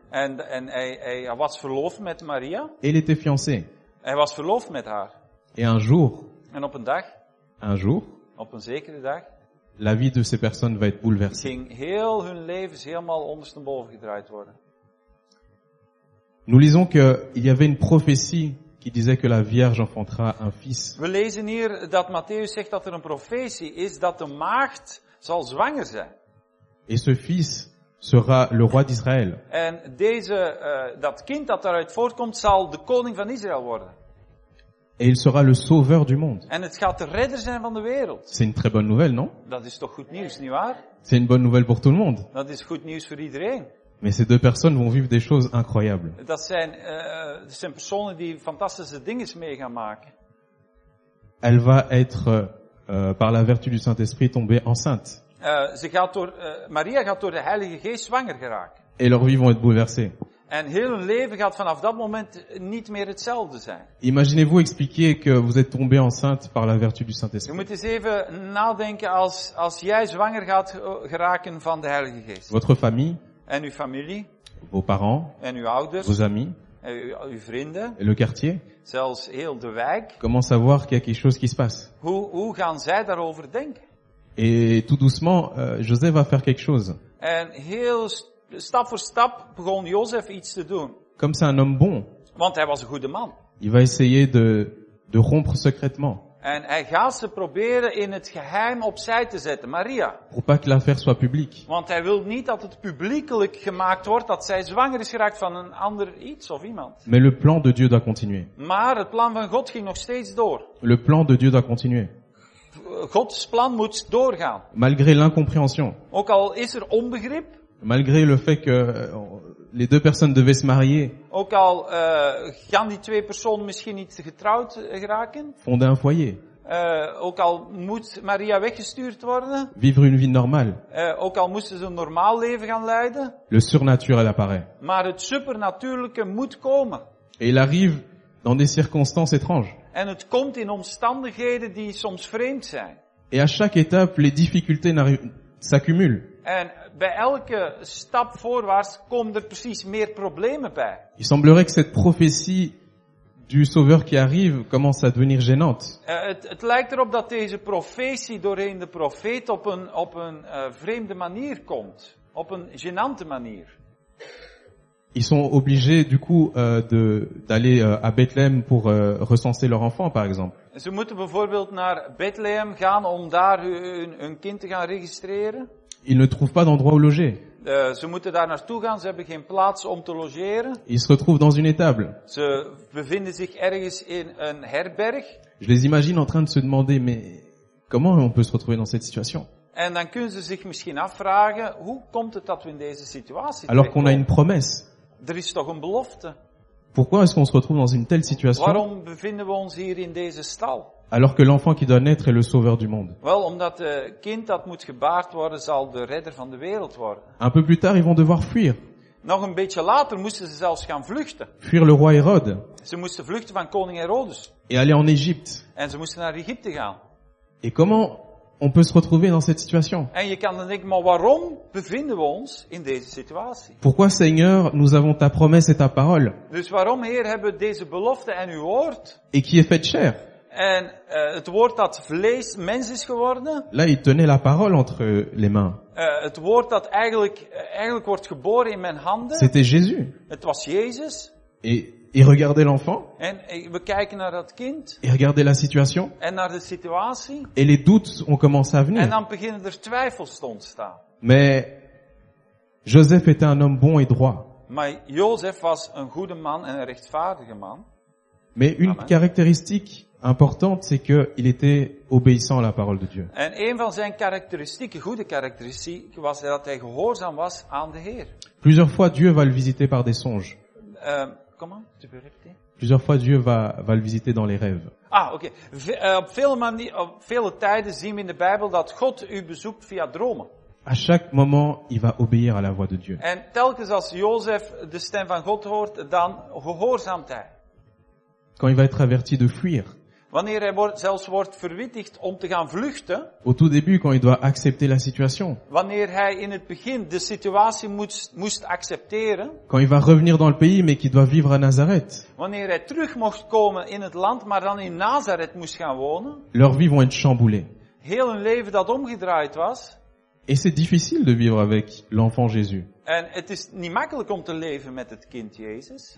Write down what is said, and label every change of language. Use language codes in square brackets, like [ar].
[nl] En hij was verloofd met Maria. [fr] Et il était fiancé. [nl] Hij was verloofd met haar. [fr] Et un jour. [nl] En op een dag. [fr] Un jour. [nl] Op een zekere dag. [fr] La vie de ces personnes va être bouleversée. [nl] Ging heel hun levens helemaal ondersteboven gedraaid worden. [fr] Nous lisons que il y avait une prophétie qui disait que la Vierge enfantera un fils. [nl] We lezen hier dat Matthäus zegt dat er een profetie is dat de maagd zal zwanger zijn. [fr] Et ce fils sera le roi d'Israël. [nl] En deze dat kind dat daaruit voortkomt zal de koning van Israël worden. [fr] Et il sera le sauveur du monde. [nl] En het gaat de redder zijn van de wereld. [fr] C'est une très bonne nouvelle, non? [nl] Dat is toch goed nieuws, niet waar? [fr] C'est une bonne nouvelle pour tout le monde. [nl] Dat is goed nieuws voor iedereen. [fr] Mais ces deux personnes vont vivre des choses incroyables. [nl] Dat zijn personen die fantastische dingen mee gaan maken. [fr] Elle va être, par la vertu du Saint-Esprit, tombée enceinte. [nl] Maria gaat door de Heilige Geest zwanger geraken. [fr] Et leurs vies vont être bouleversées. [nl] En heel hun leven gaat vanaf dat moment niet meer hetzelfde zijn. [fr] Imaginez-vous expliquer que vous êtes tombé enceinte par la vertu du Saint-Esprit. [nl] Je moet eens even nadenken als jij zwanger gaat geraken van de Heilige Geest. [fr] Votre famille. [nl] En uw familie. [fr] Vos parents. [nl] En uw ouders. [fr] Vos amis. [nl] En uw vrienden. [fr] Et le quartier. [nl] Zelfs heel de wijk. [fr] Comment savoir qu'il y a quelque chose qui se passe? [nl] Hoe gaan zij daarover denken? [fr] Et tout doucement, Joseph va faire quelque chose. [nl] En heel stap voor stap begon Jozef iets te doen. [fr] Comme c'est un homme bon. [nl] Want hij was een goede man. [fr] Il va essayer de rompre secrètement. [nl] En hij gaat ze proberen in het geheim opzij te zetten, Maria. [fr] Pour pas que l'affaire soit publique. [nl] Want hij wil niet dat het publiekelijk gemaakt wordt dat zij zwanger is geraakt van een ander iets of iemand. [fr] Mais le plan de Dieu doit continuer. [nl] Maar het plan van God ging nog steeds door. [fr] Le plan de Dieu doit continuer. [nl] Gods plan moet doorgaan. [fr] Malgré l'incompréhension. [nl] Ook al is er onbegrip. [fr] Malgré le fait que les deux personnes devaient se marier. [nl] Ook al gaan die twee personen misschien niet getrouwd geraken. [fr] Fonder un foyer. [nl] Ook al moet Maria weggestuurd worden. [fr] Vivre une vie normale. [nl] Ook al moesten ze een normaal leven gaan leiden. [fr] Le surnaturel apparaît. [nl] Maar het supernatuurlijke moet komen. [fr] Et il arrive dans des circonstances étranges. [nl] En het komt in omstandigheden die soms vreemd zijn. [fr] Et à chaque étape, les difficultés s'accumulent. [nl] En bij elke stap voorwaarts komen er precies meer problemen bij. [fr] Il semblerait que cette prophétie du sauveur qui arrive commence à devenir gênante. [nl] Het lijkt erop dat deze profetie doorheen de profeet op een vreemde manier komt. Op een gênante manier. [fr] Ils sont obligés du coup d'aller à Bethléem pour recenser leur enfant, par exemple. [nl] Ze moeten bijvoorbeeld naar Bethléem gaan om daar hun kind te gaan registreren. [fr] Ils ne trouvent pas d'endroit où loger. [nl] Ze moeten daar naartoe gaan, ze hebben geen plaats om te logeren. [fr] Ils se retrouvent dans une étable. [nl] Ze bevinden zich ergens in een herberg. [fr] Je les imagine en train de se demander, mais comment on peut se retrouver dans cette situation? [nl] En dan kunnen ze zich misschien afvragen, hoe komt het dat we in deze situatie [fr] alors qu'on a une promesse. [nl] Er is toch een belofte. [fr] Pourquoi est-ce qu'on se retrouve dans une telle situation? [nl] Waarom bevinden we ons hier in deze stal? [fr] Alors que l'enfant qui doit naître est le sauveur du monde. [nl] Wel, omdat het kind dat moet gebaard worden zal de redder van de wereld worden. [fr] Un peu plus tard, ils vont devoir fuir. [nl] Nog een beetje later moesten ze zelfs gaan vluchten. [fr] Fuir le roi Hérode. [nl] Ze moesten vluchten van koning Herodes. [fr] Et aller en Égypte. [nl] En ze moesten naar Egypte gaan. [fr] Et comment on peut se retrouver dans cette situation? [nl] En je kan dan denken, maar waarom bevinden we ons in deze situatie? [fr] Pourquoi, Seigneur, nous avons ta promesse et ta parole? [nl] Dus waarom, Heer, hebben we deze belofte en uw woord? [fr] Et qui est fait de chair? [nl] En het woord dat vlees, mens is geworden. [fr] Là, il tenait la parole entre les mains. [nl] Het woord dat eigenlijk wordt geboren in mijn handen. [fr] C'était Jésus. [nl] Het was Jezus. [fr] Et il regardait l'enfant. [nl] En we kijken naar dat kind. [fr] Il regardait la situation. [nl] En naar de situatie. [fr] Et les doutes ont commencé à venir. [nl] En dan beginnen er twijfels te ontstaan. [fr] Mais Joseph était un homme bon et droit. [nl] Maar Joseph was een goede man en een rechtvaardige man. [fr] Mais une Amen. Caractéristique importante, c'est qu'il était obéissant à la parole de Dieu. [nl] En een van zijn caractéristieken, goede caractéristieken, was dat hij gehoorzaam was aan de Heer. [fr] Plusieurs fois, Dieu va le visiter par des songes. Comment tu peux répéter? Plusieurs fois, Dieu va le visiter dans les rêves. Ah, ok. [nl] Op vele tijden zien we in de Bijbel dat God u bezoekt via dromen. [fr] À chaque moment, il va obéir à la voix de Dieu. [nl] En telkens als Jozef de stem van God hoort, dan gehoorzaamt hij. [fr] Quand il va être averti de fuir. [nl] Wanneer hij zelfs wordt verwittigd om te gaan vluchten. [fr] Au tout début, quand il doit accepter la situation. [nl] Wanneer hij in het begin de situatie moest accepteren. [fr] Quand il va revenir dans le pays, mais qu'il doit vivre à Nazareth. [nl] Wanneer hij terug mocht komen in het land, maar dan in Nazareth moest gaan wonen. [fr] Leur vie vont être chamboulée. [nl] Heel hun leven dat omgedraaid was. [fr] Et c'est difficile de vivre avec l'enfant Jésus. [nl] En het is niet makkelijk om te leven met het kind Jezus.